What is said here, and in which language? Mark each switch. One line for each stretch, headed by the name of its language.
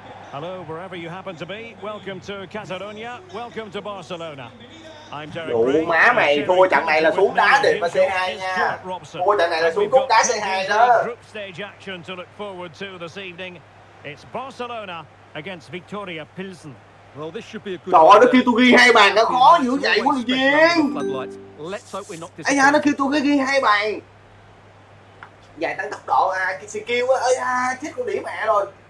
English: Hello, wherever you happen to be, welcome to Catalonia, welcome to Barcelona.
Vietnamese: Đủ má mày, thua trận này là xuống đá để mà C2 nha. Thua trận này là xuống cúp đá C2 đó.
English: Group stage action to look forward to this evening. It's Barcelona against Victoria Pilsen.
Vietnamese: Trời ơi, nó kêu tôi ghi hai bàn đã khó dữ vậy quá luyện viên. Ây da, nó kêu tôi ghi hai bàn. Dài tăng tốc độ, skill á, ơi da, chết con điểm mẹ rồi.